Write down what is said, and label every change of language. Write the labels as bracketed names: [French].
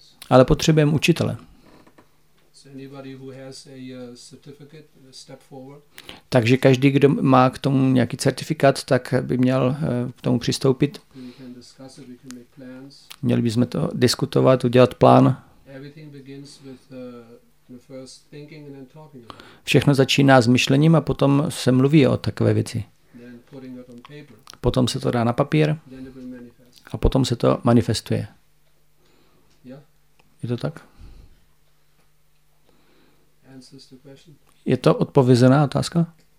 [Czech] Ale potřebujeme učitele. [English] anybody who has a certificate step forward. [Czech] Takže každý, kdo má k tomu nějaký certifikát, tak by měl k tomu přistoupit. [English] We can discuss it, we can make plans. [Czech] Měli bychom to diskutovat, udělat plán. [English] Everything begins with the first thinking and then talking about it. [Czech] Všechno začíná s myšlením a potom se mluví o takové věci. [English] Then putting it on paper. [Czech] Potom se to dá na papír. [English] Then it will manifest. [Czech] A potom se to manifestuje. [English] Yeah. [Czech] Je to tak? [English] Answers the question. [Czech] Je to odpovězená otázka?